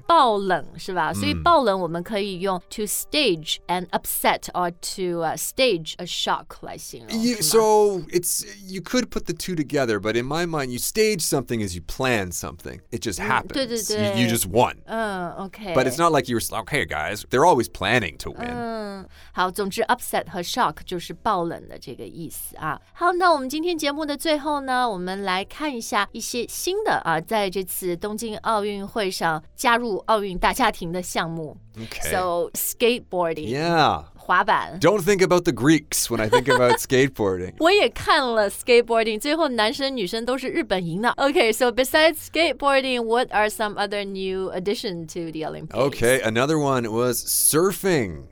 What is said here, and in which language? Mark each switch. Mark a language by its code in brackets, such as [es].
[zh] 爆冷是吧？所以爆冷我们可以用 [en] to stage an upset or to stage a shock [zh] 来形容。 [en] So it's, you could put the two together, but in my mind, you stage something as you plan something. It just happens. [zh] 对对对。 [en] You just won. Okay. But it's not like you were like, okay, guys, they're always planning to win. [zh] 好，总之 upset 和 shock 就是爆冷的这个意思啊。好，那我们今天节目的最后呢，我们来看一下一些新的啊，在这次东京奥运会上加入奥运大家庭的项目。 [en] Okay. So, skateboarding. Yeah. [zh] 滑板 [en] Don't think about the Greeks when I think about skateboarding. [zh] 我也看了 skateboarding, 最后男生女生都是日本赢的。 [en] Okay, so besides skateboarding, what are some other new addition to the Olympics? Okay, another one was surfing.